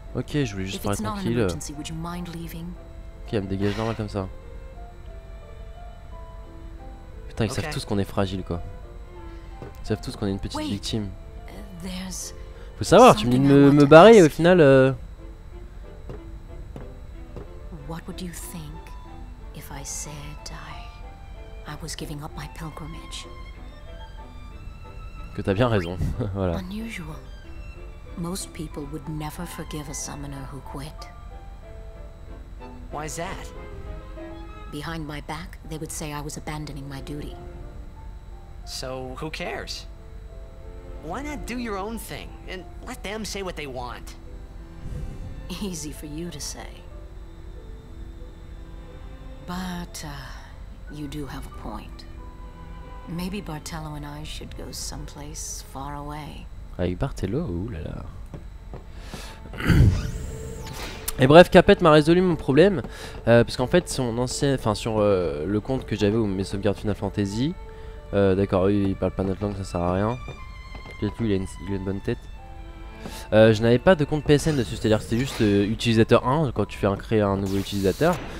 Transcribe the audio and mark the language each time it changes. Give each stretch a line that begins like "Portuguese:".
French: Ok, je voulais juste parler tranquille. Ok, elle me dégage normal comme ça. Putain, ils savent tous qu'on est fragile, quoi. Ils savent tous qu'on est une petite victime. Faut savoir, tu me dis de me barrer et au final.
English: What would you think if I said I was giving up my pilgrimage?
French: Que t'as bien raison, voilà.
English: Unusual. Most people would never forgive a summoner who quit. Why is that? Behind my back, they would say I was abandoning my duty. So, who cares? Why not do your own thing, and let them say what they want? Easy for you to say. But, you do have a point. Maybe Bartello and I should go someplace far away.
French: Avec Bartello, oulala. Et bref, Capet m'a résolu mon problème, parce qu'en fait, son ancien, enfin sur le compte que j'avais où mes sauvegardes Final Fantasy, d'accord, lui, il parle pas notre langue, ça sert à rien. Peut-être lui, il a une bonne tête. Je n'avais pas de compte PSN dessus, c'est-à-dire que c'était juste utilisateur 1 quand tu fais créer un nouveau utilisateur.